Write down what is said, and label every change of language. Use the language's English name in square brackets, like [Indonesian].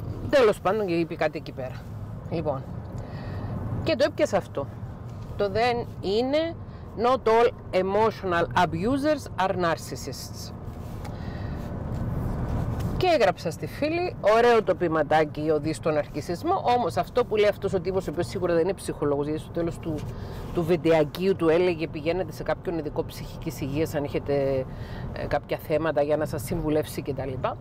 [Greek] τέλος πάντων, και είπε κάτι εκεί πέρα. Λοιπόν, και το έπιασα αυτό. Το δεν είναι, [English] not all emotional abusers are narcissists. [Greek] Και έγραψα στη φίλη, ωραίο το ποιηματάκι, οδή στον ναρκισισμό, όμως αυτό που λέει αυτός ο τύπος, ο οποίος σίγουρα δεν είναι ψυχολόγος, γιατί στο τέλος του βιντεακίου του έλεγε πηγαίνετε σε κάποιον ειδικό ψυχικής υγείας, αν έχετε κάποια θέματα για να σας συμβουλεύσει κτλ.